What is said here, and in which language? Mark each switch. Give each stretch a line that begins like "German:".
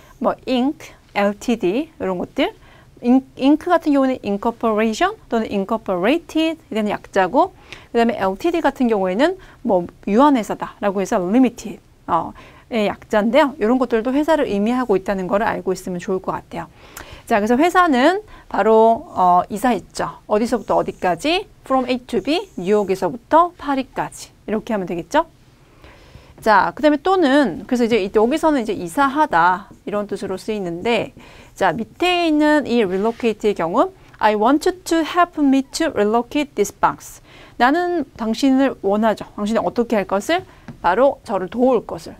Korean: 뭐 ink, ltd, 이런 것들. ink 같은 경우는 incorporation 또는 incorporated 이런 약자고, 그다음에 ltd 같은 경우에는 뭐 유한회사다라고 해서 limited. 예, 약자인데요. 이런 것들도 회사를 의미하고 있다는 걸 알고 있으면 좋을 것 같아요. 자, 그래서 회사는 바로 이사했죠. 어디서부터 어디까지?
English: From A to B,
Korean: 뉴욕에서부터 파리까지. 이렇게 하면 되겠죠? 자, 그다음에 또는 그래서 이제 여기서는 이제 이사하다 이런 뜻으로 쓰이는데, 자, 밑에 있는 이 relocate의 경우,
English: I want you to help me to relocate this box.
Korean: 나는 당신을 원하죠. 당신이 어떻게 할 것을? 바로 저를 도울 것을.